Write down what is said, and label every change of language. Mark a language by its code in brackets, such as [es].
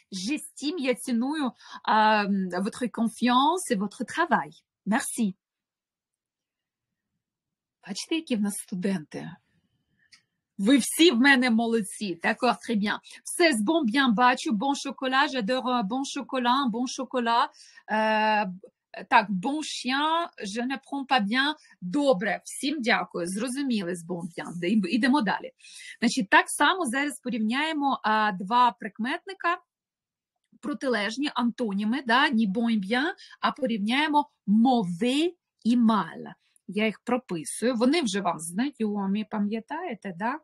[fr] J'estime, [uk] я ціную [fr] votre confiance et votre travail. Merci. [uk] Бачите, які в нас студенти? Ви всі в мене молодці. [fr] D'accord, très bien. [uk] Все з [fr] bon, bien, [uk] бачу, [fr] bon chocolat, j'adore bon chocolat. [uk] Так, [fr] bon chien, je ne prends pas bien. [uk] Добре, всім дякую, зрозуміли з bon, bien. Йдемо далі. Значить, так само зараз порівняємо два прикметника, протилежні, антоніми, да, ni bon, bien, а порівняємо mauvais і mal. Я їх прописую. Вони вже вам знайомі, пам'ятаєте, да?